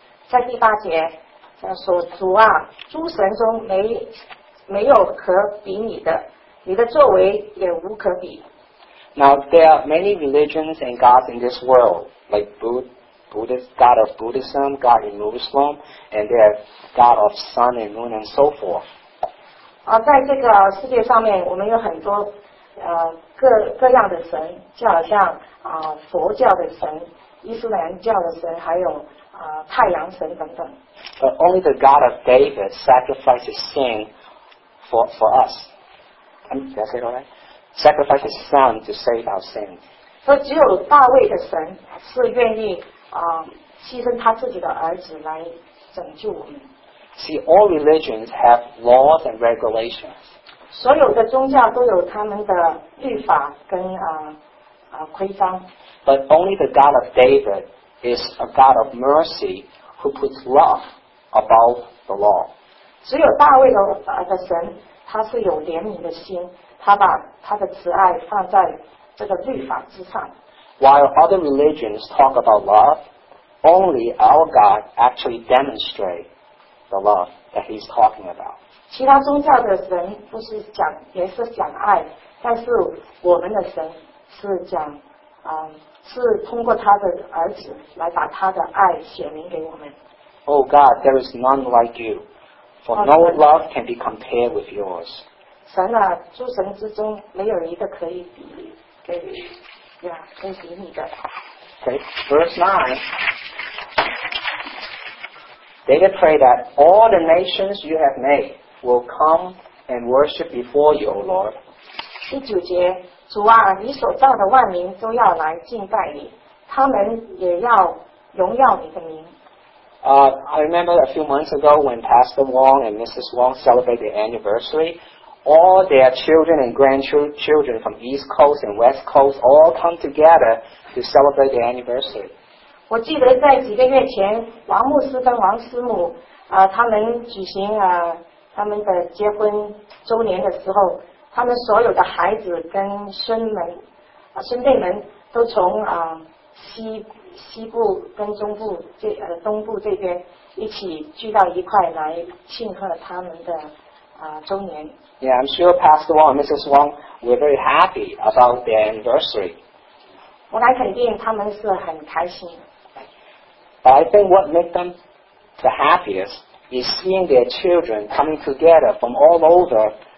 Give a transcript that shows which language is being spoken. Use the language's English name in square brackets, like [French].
[Chinese] 在第八节，他说：“主啊，诸神中没有可比你的，你的作为也无可比。” [English] Now there are many religions and gods in this world, like Buddhist God of Buddhism, God in Muslim, and there are God of sun and moon and so forth. [Chinese] 在这个世界上面，我们有很多各样的神，就好像。佛教的神、伊斯兰教的神，还有太阳神等等。 [English] But only the God of David sacrifices sin for us. That's it, alright? Sacrifices his son to save our sins. [Chinese] 所以只有大卫的神是愿意牺牲他自己的儿子来拯救我们。 [English] See, all religions have laws and regulations. [Chinese] 所有的宗教都有他们的律法跟 [English] But only the God of David is a God of mercy who puts love above the law. [Chinese] 只有大卫的神，他是有怜悯的心，他把他的慈爱放在这个律法之上。 [English] While other religions talk about love, only our God actually demonstrates the love that he's talking about. [Chinese] 其他宗教的神不是讲，也是讲爱，但是我们的神是讲是通过他的儿子来把他的爱显明给我们。 [English] Oh God, there is none like you, for no love can be compared with yours. [Chinese] 神啊，诸神之中没有一个可以比跟比你的。 [English] Okay, verse 9. David prayed that all the nations you have made will come and worship before you, O Lord. [Chinese] 第九节。主啊，你所造的万民都要来敬拜你，他们也要荣耀你的名。 [English] I remember a few months ago when Pastor Wong and Mrs. Wong celebrated their anniversary, all their children and grandchildren from East Coast and West Coast all come together to celebrate their anniversary. [Chinese] 我记得在几个月前，王牧师跟王师母他们举行他们的结婚周年的时候。他们所有的孩子跟孙辈们都从西部跟中部东部这边一起聚到一块来庆贺他们的周年。 [English] Yeah, I'm sure Pastor Wong and Mrs. Wong were very happy about their anniversary. [Chinese] 我来肯定他们是很开心。 [English] But I think what made them the happiest is seeing their children coming together from all over.